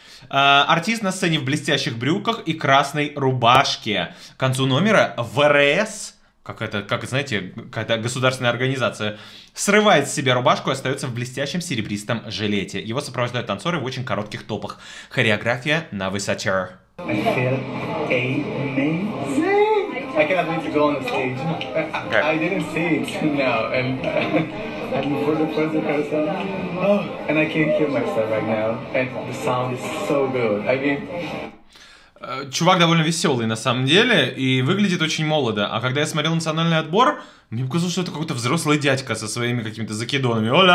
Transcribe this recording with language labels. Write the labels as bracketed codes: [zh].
[ru] Артист на сцене в блестящих брюках и красной рубашке. К концу номера ВРС, какая-то государственная организация, срывает с себя рубашку и остается в блестящем серебристом жилете. Его сопровождают танцоры в очень коротких топах. Хореография на высоте. [en] I cannot wait to go on the stage. I didn't see it now, and I'm for the first person. And I can't hear myself right now, and the sound is so good. I mean. [ru] Чувак довольно веселый на самом деле и выглядит очень молодо. А когда я смотрел национальный отбор, мне показалось, что это какой-то взрослый дядька со своими какими-то закидонами.